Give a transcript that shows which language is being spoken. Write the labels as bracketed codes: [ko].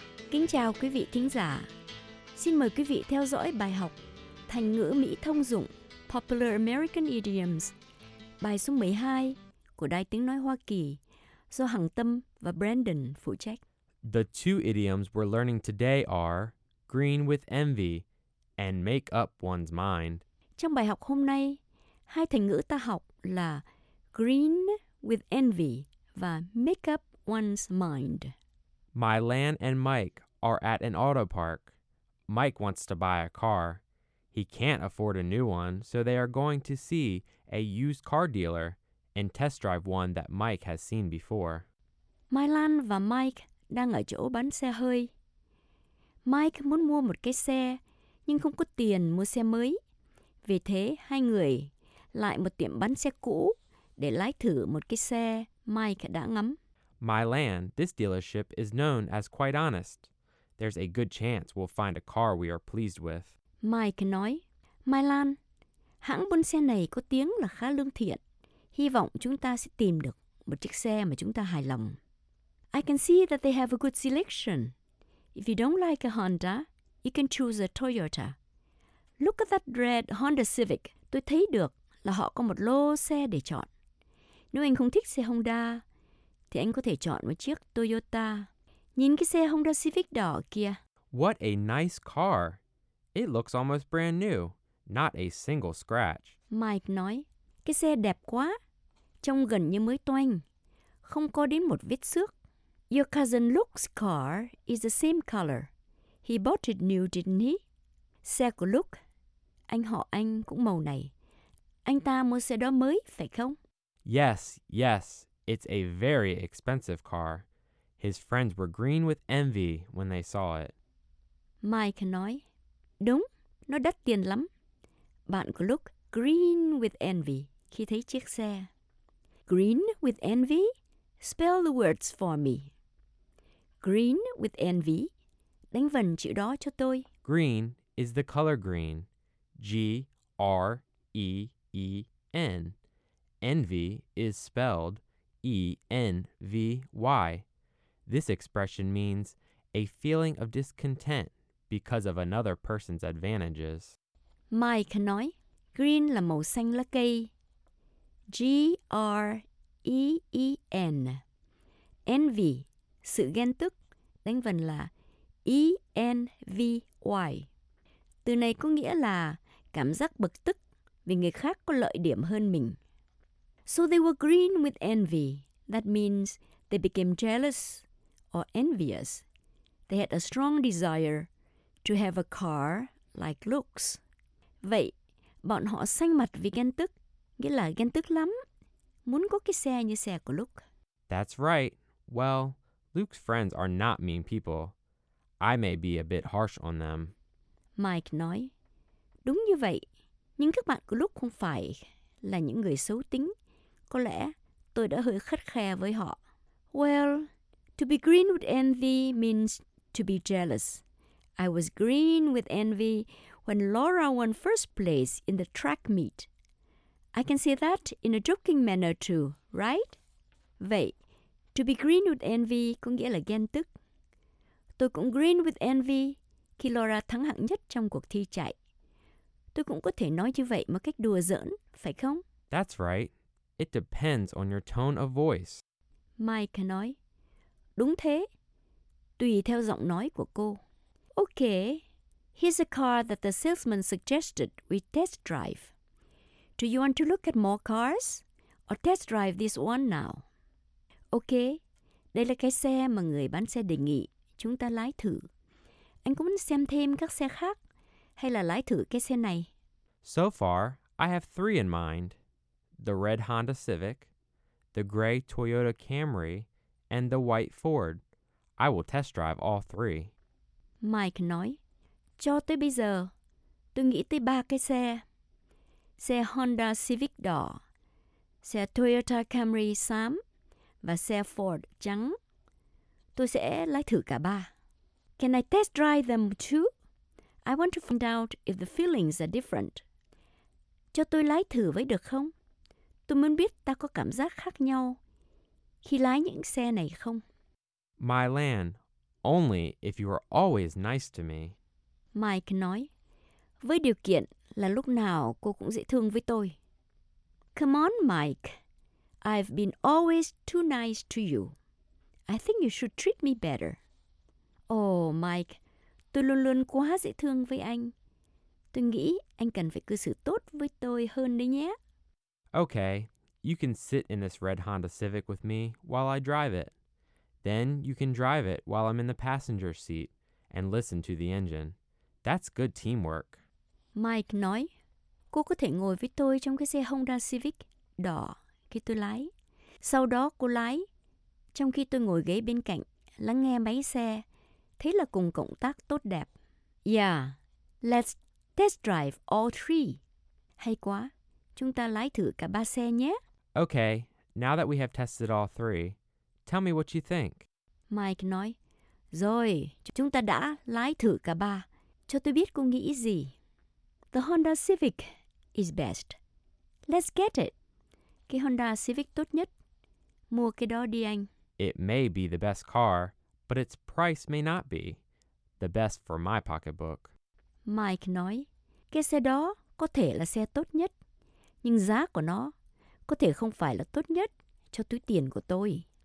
[vi] Kính chào quý vị thính giả. Xin mời quý vị theo dõi bài học thành ngữ Mỹ thông dụng [en] Popular American Idioms, [vi] bài số 12 của Đài Tiếng Nói Hoa Kỳ do Hằng Tâm và Brandon phụ trách. [en] The two idioms we're learning today are green with envy and make up one's mind. [vi] Trong bài học hôm nay, hai thành ngữ ta học là [en] green with envy [vi] và [en] make up one's mind. My Lan and Mike are at an auto park. Mike wants to buy a car. He can't afford a new one, so they are going to see a used car dealer and test drive one that Mike has seen before. [vi] My Lan và Mike đang ở chỗ bán xe hơi. Mike muốn mua một cái xe, nhưng không có tiền mua xe mới. Vì thế, hai người lại một tiệm bán xe cũ để lái thử một cái xe Mike đã ngắm. [en] My Lan, this dealership is known as quite honest. There's a good chance we'll find a car we are pleased with. [vi] Mike nói, My Lan, hãng buôn xe này có tiếng là khá lương thiện. Hy vọng chúng ta sẽ tìm được một chiếc xe mà chúng ta hài lòng. [en] I can see that they have a good selection. If you don't like a Honda, you can choose a Toyota. Look at that red Honda Civic. [vi] Tôi thấy được là họ có một lô xe để chọn. Nếu anh không thích xe Honda, thì anh có thể chọn một chiếc Toyota. Nhìn cái xe Honda Civic đỏ kia. [en] What a nice car. It looks almost brand new. Not a single scratch. [vi] Mike nói, cái xe đẹp quá. Trông gần như mới toanh. Không có đến một vết xước. [en] Your cousin Luke's car is the same color. He bought it new, didn't he? [vi] Xe của Luke, anh họ anh cũng màu này. Anh ta mua xe đó mới, phải không? [en] Yes, yes. It's a very expensive car. His friends were green with envy when they saw it. [vi] Mike nói, đúng, nó đắt tiền lắm. Bạn của Luke [en] green with envy [vi] khi thấy chiếc xe. [en] Green with envy? Spell the words for me. Green with envy. [vi] Đánh vần chữ đó cho tôi. [en] Green is the color green. G-R-E-E-N. Envy is spelled E-N-V-Y. This expression means a feeling of discontent because of another person's advantages. [vi] Mike nói, green là màu xanh lá cây. G-R-E-E-N. Envy, sự ghen tức, đánh vần là E-N-V-Y. Từ này có nghĩa là cảm giác bực tức vì người khác có lợi điểm hơn mình. [en] So they were green with envy. That means they became jealous or envious. They had a strong desire to have a car like Luke's. [vi] Vậy, bọn họ xanh mặt vì ghen tức, nghĩa là ghen tức lắm, muốn có cái xe như xe của Luke. [en] That's right. Well, Luke's friends are not mean people. I may be a bit harsh on them. [vi] Mike nói, đúng như vậy, nhưng các bạn của Luke không phải là những người xấu tính. Có lẽ tôi đã hơi khắt khe với họ. [en] Well, to be green with envy means to be jealous. I was green with envy when Laura won first place in the track meet. I can say that in a joking manner too, right? [vi] Vậy, [en] to be green with envy [vi] có nghĩa là ghen tức. Tôi cũng [en] green with envy [vi] khi Laura thắng hạng nhất trong cuộc thi chạy. Tôi cũng có thể nói như vậy một cách đùa giỡn, phải không? [en] That's right. It depends on your tone of voice. [vi] Mike nói, đúng thế, tùy theo giọng nói của cô. [en] Okay, here's a car that the salesman suggested we test drive. Do you want to look at more cars or test drive this one now? [vi] Okay, đây là cái xe mà người bán xe đề nghị chúng ta lái thử. anh có muốn xem thêm các xe khác hay là lái thử cái xe này? [en] So far, I have three in mind. The red Honda Civic, the gray Toyota Camry, and the white Ford. I will test drive all three. [vi] Mike nói, cho tới bây giờ, tôi nghĩ tới ba cái xe. Xe Honda Civic đỏ, xe Toyota Camry xám và xe Ford trắng. Tôi sẽ lái thử cả ba. [en] Can I test drive them too? I want to find out if the feelings are different. [vi] Cho tôi lái thử với được không? Tôi muốn biết ta có cảm giác khác nhau khi lái những xe này không? [en] My Lan, only if you are always nice to me. [vi] Mike nói, với điều kiện là lúc nào cô cũng dễ thương với tôi. [en] Come on, Mike. I've been always too nice to you. I think you should treat me better. [vi] Oh, Mike, tôi luôn luôn quá dễ thương với anh. Tôi nghĩ anh cần phải cư xử tốt với tôi hơn đấy nhé. [en] Okay, you can sit in this red Honda Civic with me while I drive it. Then you can drive it while I'm in the passenger seat and listen to the engine. That's good teamwork. [vi] Mike nói, cô có thể ngồi với tôi trong cái xe Honda Civic đỏ khi tôi lái. Sau đó cô lái, trong khi tôi ngồi ghế bên cạnh, lắng nghe máy xe. Thế là cùng cộng tác tốt đẹp. [en] Yeah, let's test drive all three. [vi] Hay quá, chúng ta lái thử cả ba xe nhé. [en] Okay, now that we have tested all three, tell me what you think. [vi] Mike nói, rồi, chúng ta đã lái thử cả ba. Cho tôi biết cô nghĩ gì. [en] The Honda Civic is best. Let's get it. [vi] Cái Honda Civic tốt nhất. Mua cái đó đi anh. [en] It may be the best car, but its price may not be the best for my pocketbook. [vi] Mike nói, cái xe đó có thể là xe tốt nhất, nhưng giá của nó có thể không phải là tốt nhất cho túi tiền của tôi.